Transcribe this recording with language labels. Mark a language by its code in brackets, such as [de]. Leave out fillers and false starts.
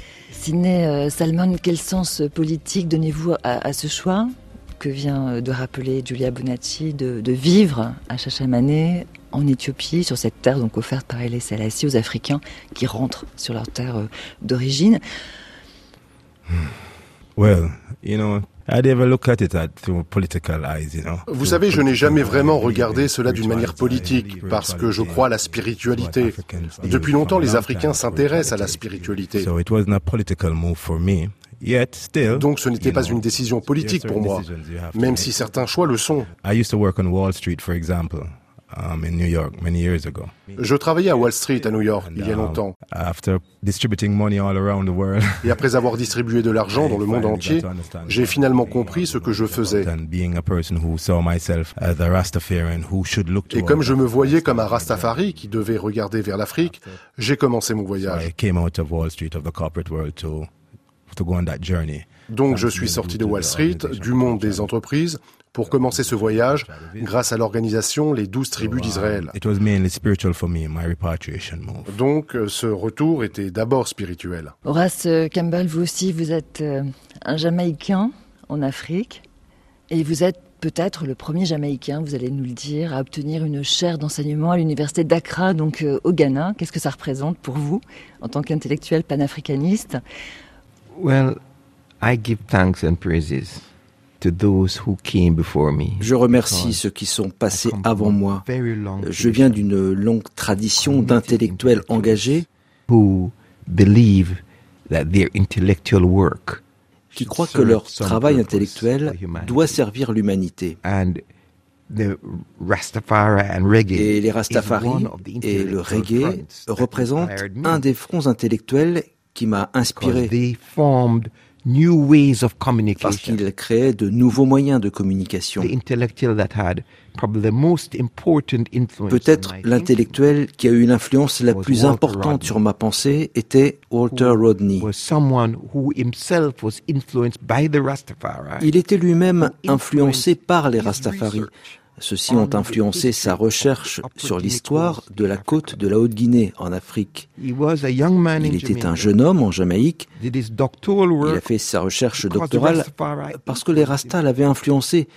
[fr] Sidney Salmon, quel sens politique donnez-vous à ce choix que vient de rappeler Giulia Bonacci, de vivre à Shashamane, en Éthiopie, sur cette terre donc offerte par Haïlé Sélassié aux Africains qui rentrent sur leur terre d'origine. [en] Well, you know, I'd never look at it through political eyes, you know. [fr] Vous savez, je n'ai jamais vraiment regardé cela d'une manière politique, parce que je crois à la spiritualité. Depuis longtemps, les Africains s'intéressent à la spiritualité. [en] So it was not a political move for me. Yet, still, [fr] donc ce n'était pas une décision politique pour moi, même si certains choix le sont. [en] I used to work on Wall Street, for example, in New York, many years ago. [fr] Je travaillais à Wall Street, à New York, il y a longtemps. [en] After distributing money all around the world, [fr] et après avoir distribué de l'argent dans le monde entier, j'ai finalement compris ce que je faisais. [en] And being a person who saw myself as a Rastafarian who should look [fr] toward. Et comme je me voyais comme un Rastafari qui devait regarder vers l'Afrique, j'ai commencé mon voyage. [en] I came out of Wall Street, of the corporate world, too. To go on that journey. [fr] Donc je suis sorti de Wall Street, du monde des entreprises, pour commencer ce voyage grâce à l'organisation Les 12 Tribus d'Israël. [en] It was mainly spiritual for me, my repatriation move. [fr] Donc ce retour était d'abord spirituel. Horace Campbell, vous aussi, vous êtes un Jamaïcain en Afrique et vous êtes peut-être le premier Jamaïcain, vous allez nous le dire, à obtenir une chaire d'enseignement à l'université d'Accra, donc au Ghana. Qu'est-ce que ça représente pour vous en tant qu'intellectuel panafricaniste ? [en] Well, I give thanks and praises to those who came before me. [fr] Je remercie ceux qui sont passés avant moi. Je viens d'une longue tradition d'intellectuels engagés [en] who believe that their intellectual work [fr] qui croient que leur travail intellectuel doit servir l'humanité. [en] And the Rastafari and reggae, [fr] et les Rastafari et le reggae représentent un des fronts intellectuels qui m'a inspiré. [en] They formed new ways of communication. [fr] Parce qu'ils créaient de nouveaux moyens de communication. [en] The intellectual that had probably the most important influence. [fr] Peut-être l'intellectuel qui a eu l'influence la plus importante sur ma pensée était Walter Rodney. [en] Was someone who himself was influenced by the Rastafari. [fr] Il était lui-même influencé par les Rastafari. Ceux-ci ont influencé sa recherche sur l'histoire de la côte de la Haute-Guinée en Afrique. Il était un jeune homme en Jamaïque. Il a fait sa recherche doctorale parce que les Rastas l'avaient influencé.